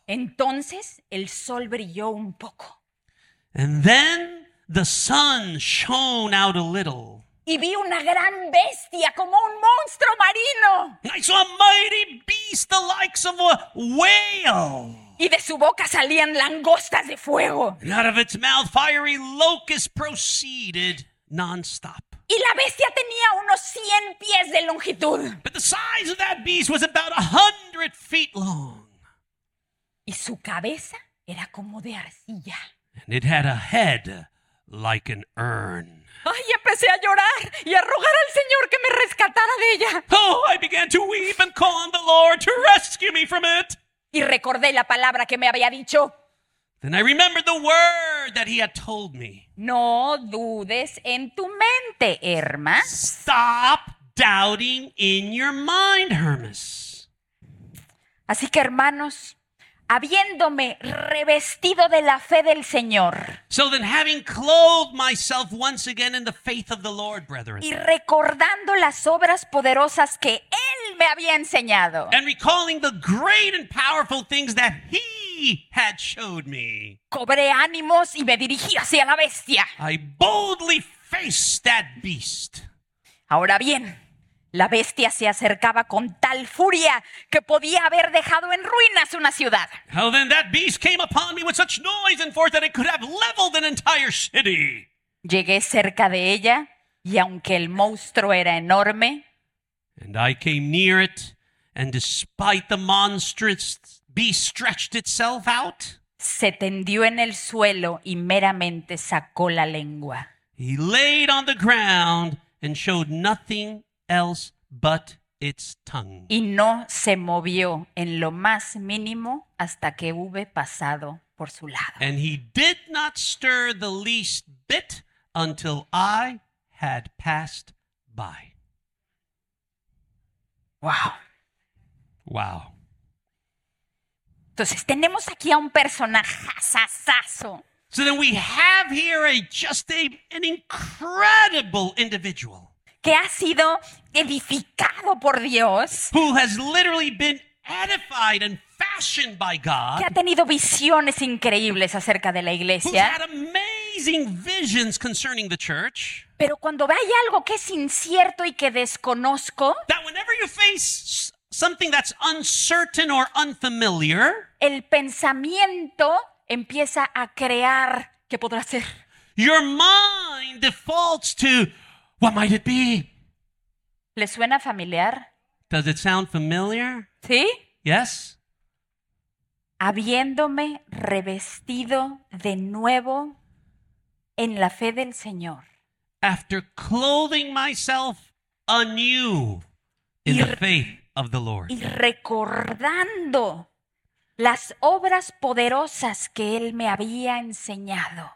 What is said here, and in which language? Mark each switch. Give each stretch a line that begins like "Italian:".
Spanish: Entonces, el sol brilló un poco.
English: And then, the sun shone out a little.
Spanish: Y vi una gran bestia, como un monstruo marino.
English: I saw a mighty beast, the likes of a whale.
Spanish: Y de su boca salían langostas de fuego.
English: And out of its mouth, fiery locusts proceeded nonstop.
Spanish: Y la bestia tenía unos 100 pies de longitud.
English: But the size of that beast was about 100 feet long.
Spanish: Y su cabeza era como de arcilla.
English: And it had a head like an urn.
Spanish: Ay, empecé a llorar y a rogar al Señor que me rescatara de ella.
English: Oh, I began to weep and call on the Lord to rescue me from it.
Spanish: Y recordé la palabra que me había dicho.
English: Then I remembered the word that he had told me.
Spanish: No dudes en tu mente, Hermas.
English: Stop doubting in your mind, Hermas.
Spanish: Así que, hermanos, habiéndome revestido de la fe del Señor.
English: So then having clothed myself once again in the faith of the Lord, brethren.
Spanish: Y recordando las obras poderosas que Él me había enseñado.
English: And recalling the great and powerful things that He had showed me.
Spanish: Cobré ánimos y me dirigí hacia la bestia.
English: I boldly faced that beast.
Spanish: Ahora bien. La bestia se acercaba con tal furia que podía haber dejado en ruinas una ciudad.
English: Well, then that beast came upon me with such noise and force that it could have leveled an entire city.
Spanish: Llegué cerca de ella y aunque el monstruo era enorme,
English: and I came near it, and despite the monstrous beast stretched itself out,
Spanish: se tendió en el suelo y meramente sacó la lengua.
English: He laid on the ground and showed nothing else but its tongue.
Spanish: Y no se movió en lo más mínimo hasta que hube pasado por su lado.
English: And he did not stir the least bit until I had passed by. Wow. Wow.
Spanish: Entonces tenemos aquí a un personajazazazo.
English: So then we have here an incredible individual
Spanish: que ha sido edificado por Dios,
English: who has literally been edified and fashioned by God,
Spanish: que ha tenido visiones increíbles acerca de la iglesia,
English: who's had amazing visions concerning the church.
Spanish: Pero cuando hay algo que es incierto y que desconozco,
English: that whenever you face something that's uncertain or unfamiliar,
Spanish: el pensamiento empieza a crear qué podrá ser.
English: Your mind defaults to, what might it be?
Spanish: ¿Le suena familiar?
English: Does it sound familiar?
Spanish: ¿Sí?
English: Yes.
Spanish: Habiéndome revestido de nuevo en la fe del Señor.
English: After clothing myself anew in the faith of the Lord.
Spanish: Y recordando las obras poderosas que él me había enseñado.